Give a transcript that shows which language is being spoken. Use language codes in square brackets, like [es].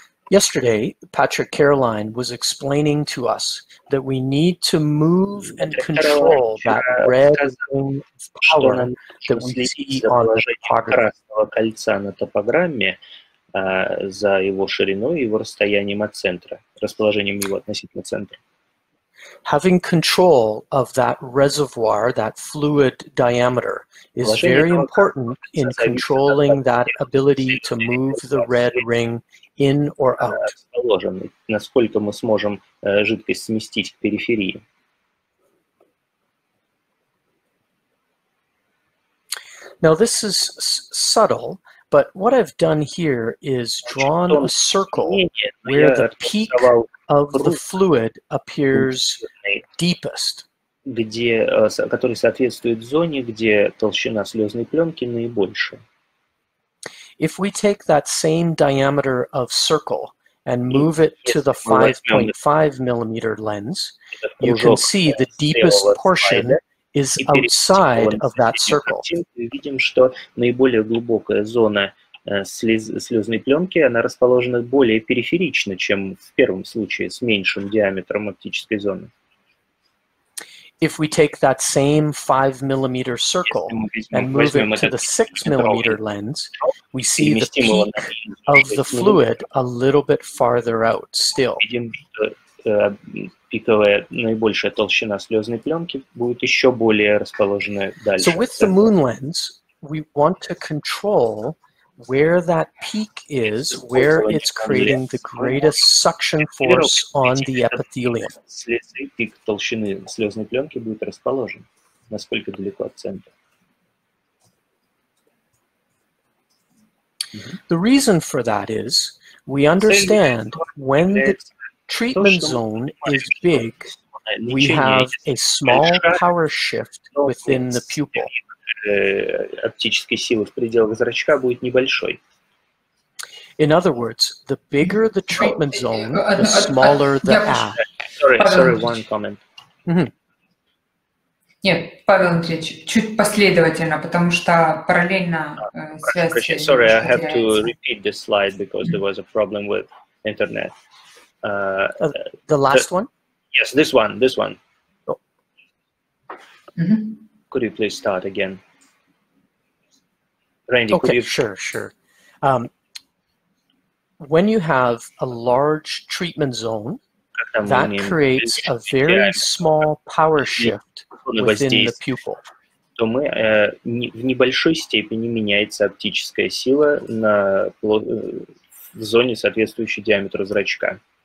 [en] Yesterday, Patrick Caroline was explaining to us that we need to move and control that red zone of power that we see on the [ru] красного кольца на топограмме за его шириной и его расстоянием от центра, расположением его относительно центра. [en] Having control of that reservoir, that fluid diameter, is very important in controlling that ability to move the red ring in or out. [ru] Насколько мы сможем жидкость сместить к периферии. [en] Now this is subtle, but what I've done here is drawn a circle where the peak of the fluid appears deepest. [ru] Где, который соответствует зоне, где толщина слезной пленки наибольшая. [en] If we take that same diameter of circle and move it to the 5.5 millimeter lens, you can see the deepest portion is outside of that circle. [ru] Мы видим, что наиболее глубокая зона слезной пленки, она расположена более периферично, чем в первом случае с меньшим диаметром оптической зоны. [en] If we take that same 5 millimeter circle and move it to the 6 millimeter lens, we see the peak of the fluid a little bit farther out still. [ru] Видим, что пиковая, наибольшая толщина слезной пленки будет еще более расположена дальше. [en] So with the moon lens, we want to control where that peak is, where it's creating the greatest suction force on the epithelium. [ru] Пик толщины слезной пленки будет расположен. Насколько далеко от центра? [en] The reason for that is we understand when the treatment zone is big, we have a small power shift within the pupil. [ru] Оптической силы в пределах зрачка будет небольшой. [en] In other words, the bigger the treatment zone, the smaller the add. Sorry, one comment. Mm-hmm. [ru] Нет, Павел Андреевич, чуть последовательно, потому что параллельно связь... [en] Sorry, I have to repeat this slide because there was a problem with internet. The last one? Yes, this one. Mm-hmm. Could you please start again? Randy, okay, sure. When you have a large treatment zone, that creates a very small power shift within the pupil. [ru] То мы в небольшой степени меняется оптическая сила на в зоне соответствующей диаметру зрачка.